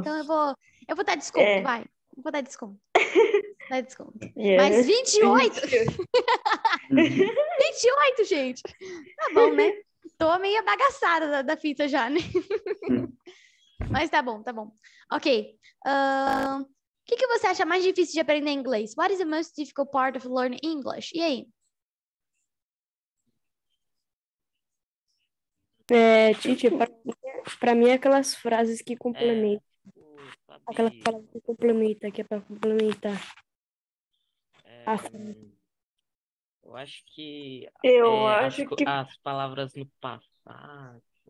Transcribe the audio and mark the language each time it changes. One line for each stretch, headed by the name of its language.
Portuguese: Então eu vou dar desconto, vai. Vou dar desconto. Mas 28? 28, gente. Tá bom, né? Tô meio bagaçada da fita já, né? Mas tá bom, tá bom. Ok. Que você acha mais difícil de aprender inglês?
English: What is the most difficult part of learning English?
Portuguese: E aí? Titi, pra mim é aquelas frases que complementam. Aquelas frases que complementam, que é pra complementar. Eu acho que... As palavras no passado.